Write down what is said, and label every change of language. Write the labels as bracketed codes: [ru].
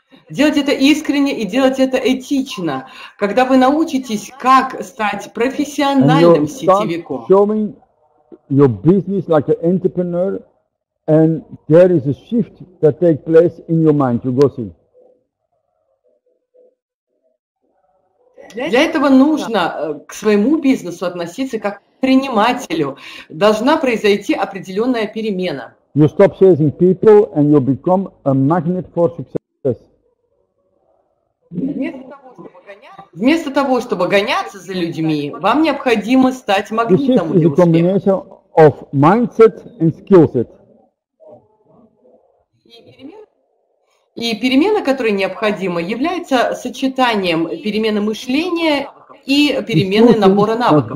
[ru] Делать это искренне и делать это этично. Когда вы научитесь, как стать профессиональным сетевиком. [en] Showing your business like an entrepreneur. And there is a shift that takes place in your mind. You go see. [ru] Для этого нужно к своему бизнесу относиться как к предпринимателю. Должна произойти определенная перемена. [en] You stop chasing people and you become a magnet for success. [ru] Вместо того, чтобы гоняться за людьми, вам необходимо стать магнитом для успеха. [en] This is a combination of mindset and skill set. [ru] И перемена, которая необходима, является сочетанием перемены мышления и перемены набора навыков.